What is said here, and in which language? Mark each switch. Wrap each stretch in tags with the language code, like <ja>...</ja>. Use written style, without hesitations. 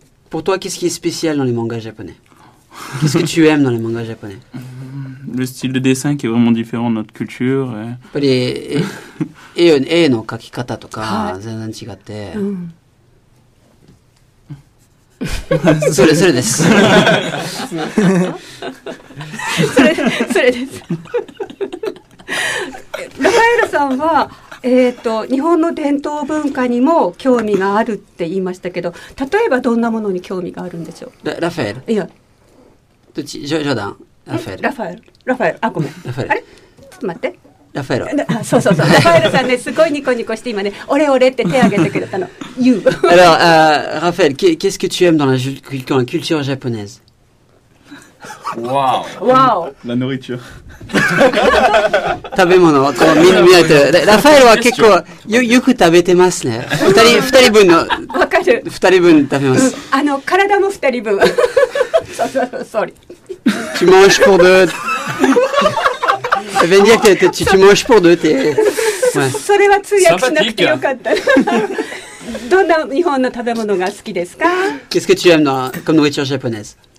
<fr>Pour toi, qu'est-ce qui est spécial dans les mangas japonais? Qu'est-ce que tu aimes dans les mangas japonais? Le style de dessin qui est vraiment différent de notre culture. Et</fr> <ja>絵の描き方とか全然違って。それです。それです。ラファエルさんは日本の伝統文化にも興味があるって言いましたけど、例えばどんなものに興味があるんでしょう。ラファエル。いや。どっち？ジョダン。ラファエル。ラファエル。ラファエル。あ、ごめん。ラファエル。あれ？ちょっと待って。ラファエロ。そうそうそう。ラファエロさんね、すごいニコニコして今ね、オレオレって手挙げてくれたの。</ja> <en>You.</en> <fr>Alors, Raphaël, qu'est-ce que tu aimes dans la culture japonaise? Wow. Wow. La nourriture.</fr> <ja>食べ物を見られてる。ラファエロは結構よく食べてますね。二人分の。わかる。二人分食べます。体も二人分。</ja> <en>Sorry.</en> <fr>Tu manges pour deux. Ça veut dire que tu manges pour deux, t'es... Ouais.</fr> <ja>それは通訳しなくてよかった。どんな日本の食べ物が好きですか？</ja> <fr>Qu'est-ce que tu aimes dans, comme nourriture japonaise?</fr>